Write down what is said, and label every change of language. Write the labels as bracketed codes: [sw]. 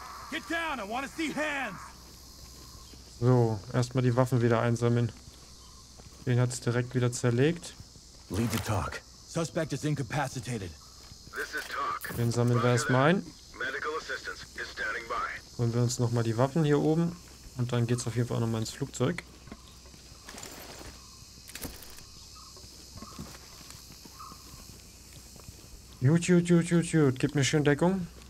[en] Get down. I want to see hands. [de] So, erstmal die Waffen wieder einsammeln. Den hat's direkt wieder zerlegt. [en] Lead the talk. Suspect is incapacitated. This is talk. [de] Den sammeln wir erstmal ein. [en] Medical assistance is standing by. [de] Holen wir uns nochmal die Waffen hier oben und dann geht's auf jeden Fall nochmal ins Flugzeug. Gut, gut, gut, gut, gut. Gib mir schön Deckung.